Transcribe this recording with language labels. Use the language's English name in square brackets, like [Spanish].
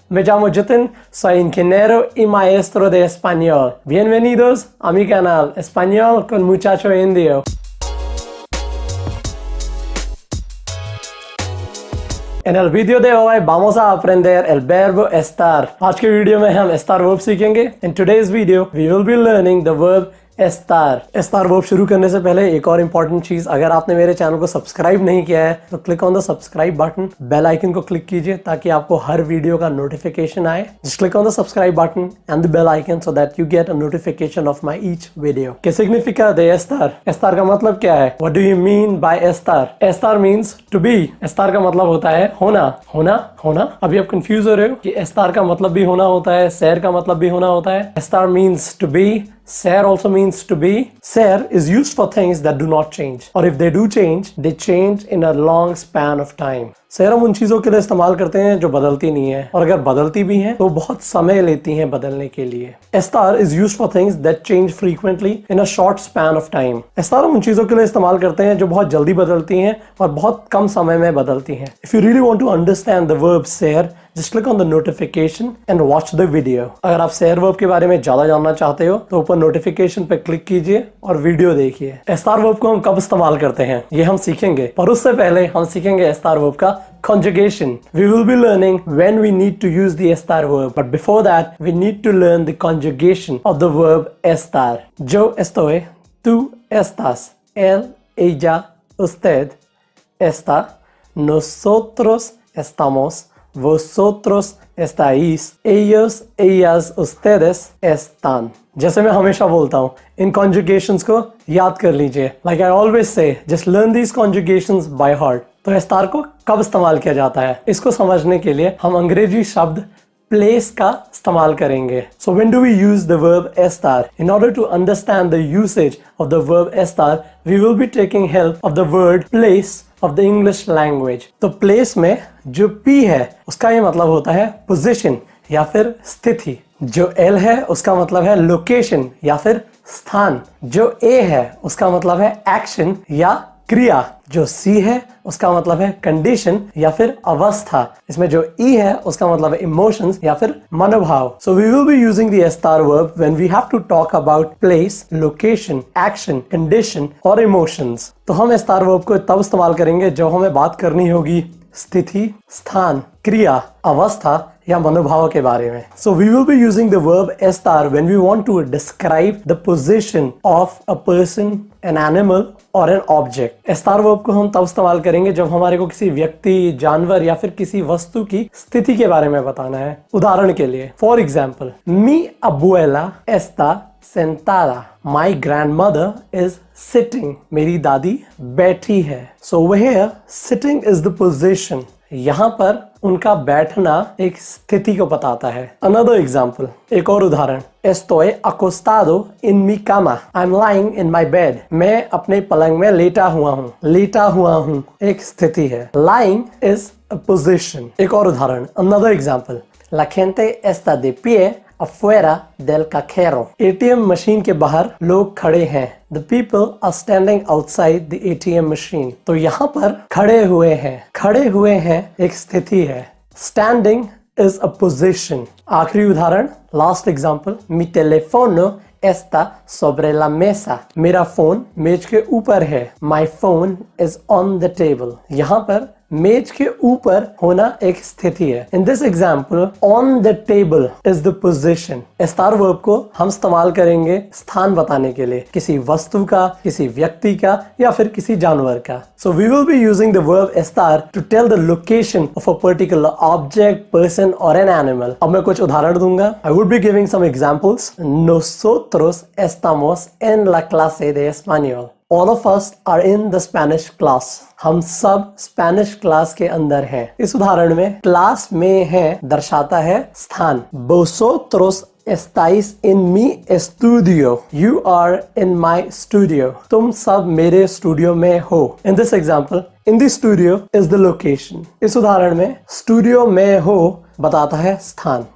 [Spanish] Me llamo Jutin, soy ingeniero y maestro de español. Bienvenidos a mi canal, Español con Muchacho Indio. En el video de hoy vamos a aprender el verbo estar. [Hindi] Aaj ke video mein hum estar verb seekhenge. [English] In today's video, we will be learning the verb estar. [Hindi] Estar verb शुरू करने से पहले एक और important चीज, अगर आपने मेरे चैनल को subscribe नहीं किया है, तो [English] click on the subscribe button, [Hindi] bell icon को click कीजिए, ताकि आपको हर video का notification आए. [English] Just click on the subscribe button and the bell icon so that you get a notification of my each video. [Spanish] ¿Qué significa de estar? [Hindi] Estar का मतलब क्या है? [English] What do you mean by estar? Estar means to be. [Hindi] Estar का मतलब होता है होना. होना? होना? अभी आप confused हो रहे हो कि estar का मतलब भी होना होता है, ser का मतलब भी होना होता है. [English] Estar means to be. Ser also means to be. Ser is used for things that do not change. Or if they do change, they change in a long span of time. [Hindi] Ser हम उन चीजों के लिए इस्तेमाल करते हैं जो बदलती नहीं है. और अगर बदलती भी हैं, तो बहुत समय लेती हैं बदलने के लिए. [English] Estar is used for things that change frequently in a short span of time. [Hindi] Estar हम उन चीजों के लिए इस्तेमाल करते हैं जो बहुत जल्दी बदलती हैं और बहुत कम समय में बदलती हैं. [English] If you really want to understand the verb ser, just click on the notification and watch the video. [Hindi] अगर आप ser verb के बारे में ज्यादा जानना चाहते हो, तो ऊपर notification पे क्लिक कीजिए और वीडियो देखिए. Estar verb को हम कब इस्तेमाल करते हैं? ये हम सीखेंगे. पर उससे पहले हम सीखेंगे estar verb का conjugation. [English] We will be learning when we need to use the estar verb. But before that, we need to learn the conjugation of the verb estar. [Spanish] Yo estoy, tú estás, él, ella, usted, está, nosotros estamos. Vosotros estáis, ellos, ellas, ustedes están. [Hindi] जैसे मैं हमेशा बोलता हूँ, इन conjugations को याद कर लीजिए. [English] Like I always say, just learn these conjugations by heart. [Hindi] तो estar को कब इस्तेमाल किया जाता है? इसको समझने के लिए हम अंग्रेजी शब्द place का इस्तेमाल करेंगे. [English] So when do we use the verb estar? In order to understand the usage of the verb estar, we will be taking help of the word place of the English language. [Hindi] तो place में जो P है, उसका ये मतलब होता है position या फिर स्थिति. जो L है, उसका मतलब है location या फिर स्थान. जो A है, उसका मतलब है action या क्रिया. जो C है, उसका मतलब है condition या फिर अवस्था. इसमें जो E है, उसका मतलब है emotions या फिर मनोभाव. [English] So we will be using the estar verb when we have to talk about place, location, action, condition or emotions. [Hindi] तो हम estar verb को तब इस्तेमाल करेंगे जब हमें बात करनी होगी स्थिति, स्थान, क्रिया, अवस्था या मनोभाव के बारे में. [English] So we will be using the verb estar when we want to describe the position of a person, an animal or an object. [Hindi] Estar verb को हम तब इस्तेमाल करेंगे जब हमारे को किसी व्यक्ति, जानवर या फिर किसी वस्तु की स्थिति के बारे में बताना है. उदाहरण के लिए, [English] for example, [Spanish] mi abuela está sentada. [English] My grandmother is sitting. [Hindi] मेरी दादी बैठी है. [English] So over here, sitting is the position. [Hindi] यहाँ पर उनका बैठना एक स्थिति को बताता है. [English] Another example, [Hindi] एक और उदाहरण. [Spanish] Estoy acostado en mi cama. [English] I'm lying in my bed. [Hindi] मैं अपने पलंग में लेटा हुआ हूँ. लेटा हुआ हूँ एक स्थिति है. [English] Lying is a position. [Hindi] एक और उदाहरण. [English] Another example. [Spanish] La gente está de pie afuera del cajero. [Hindi] ATM machine के बाहर लोग खड़े हैं. [English] The people are standing outside the ATM machine. [Hindi] तो यहाँ पर खड़े हुए हैं एक स्थिति है. [English] Standing is a position. [Hindi] आखिरी उदाहरण, [English] last example. [Spanish] Mi teléfono está sobre la mesa. [Hindi] मेरा फोन मेज के ऊपर है. [English] My phone is on the table. [Hindi] यहाँ पर मेज के ऊपर होना एक स्थिति है. [English] In this example, on the table is the position. [Hindi] Estar verb को हम इस्तेमाल करेंगे स्थान बताने के लिए, किसी वस्तु का, किसी व्यक्ति का या फिर किसी जानवर का. [English] So we will be using the verb estar to tell the location of a particular object, person or an animal. [Hindi] अब मैं कुछ उदाहरण दूंगा. [English] I would be giving some examples. [Spanish] Nosotros estamos en la clase de español. [English] All of us are in the Spanish class. [Hindi] हम सब Spanish class के अंदर हैं. इस उदाहरण में class में है दर्शाता है स्थान. [Spanish] Vosotros estáis en mi estudio. [English] You are in my studio. [Hindi] तुम सब मेरे studio में हो. [English] In this example, in the studio is the location. [Hindi] इस उदाहरण में studio में हो बताता है स्थान.